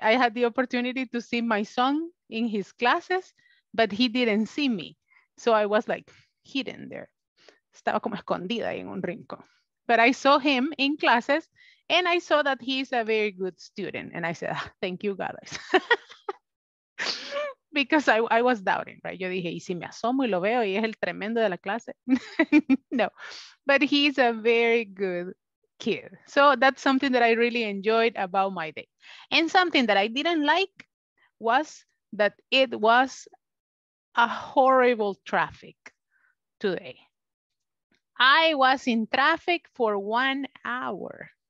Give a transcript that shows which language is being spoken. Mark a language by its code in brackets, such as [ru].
[en] I had the opportunity to see my son in his classes, but he didn't see me. So I was like hidden there. [es] Estaba como escondida en un rincón. [en] But I saw him in classes and I saw that he's a very good student. And I said, ah, thank you, guys. Because I was doubting, right? [es] Yo dije, ¿y si me asomo y lo veo y es el tremendo de la clase? [en] No, but he's a very good kid. So that's something that I really enjoyed about my day. And something that I didn't like was that it was a horrible traffic today. I was in traffic for 1 hour.